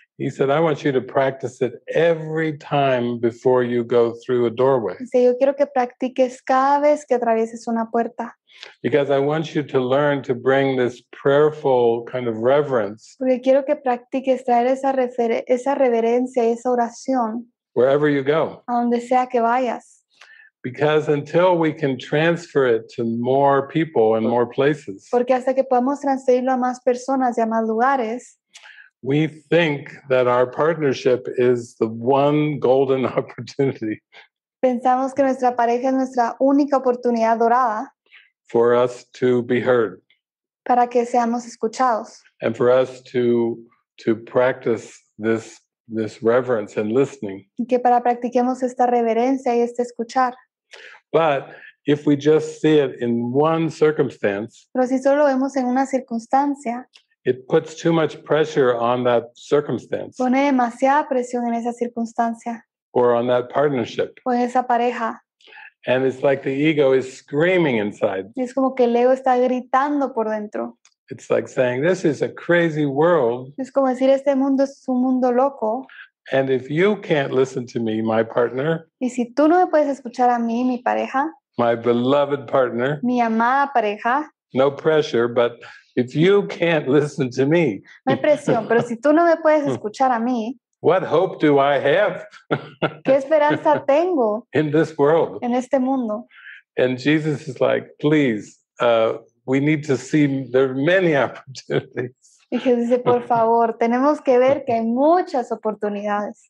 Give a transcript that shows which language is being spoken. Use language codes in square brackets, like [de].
[en] He said, I want you to practice it every time before you go through a doorway. [es] Dice, yo quiero que practiques cada vez que atravieses una puerta. [en] Because I want you to learn to bring this prayerful kind of reverence. [es] Porque quiero que practiques traer esa reverencia, esa oración. [en] Wherever you go. [es] A donde sea que vayas. [en] Because until we can transfer it to more people and more places. [es] Porque hasta que podamos transferirlo a más personas y a más lugares. [en] We think that our partnership is the one golden opportunity. [es] Pensamos que nuestra pareja es nuestra única oportunidad dorada. [en] For us to be heard. [es] Para que seamos escuchados. [en] And for us to practice this reverence and listening. [es] Y que para practiquemos esta reverencia y este escuchar. [en] But if we just see it in one circumstance. [es] Pero si solo lo vemos en una circunstancia. [en] It puts too much pressure on that circumstance. [es] Pone demasiada presión en esa circunstancia. [en] Or on that partnership. [es] O en esa pareja. [en] And it's like the ego is screaming inside. [es] Es como que el ego está gritando por dentro. [en] It's like saying, this is a crazy world. [es] Es como decir, este mundo es un mundo loco. [en] And if you can't listen to me, my partner. [es] Y si tú no me puedes escuchar a mí, mi pareja. [en] My beloved partner. [es] Mi amada pareja. [en] No pressure, but if you can't listen to me. [es] No hay presión, pero si tú no me puedes escuchar a mí. [en] What hope do I have? [es] ¿Qué esperanza tengo? [en] In this world. [es] En este mundo. [en] And Jesus is like, please, we need to see there are many opportunities. [es] Y Jesús dice, por favor, tenemos que ver que hay muchas oportunidades.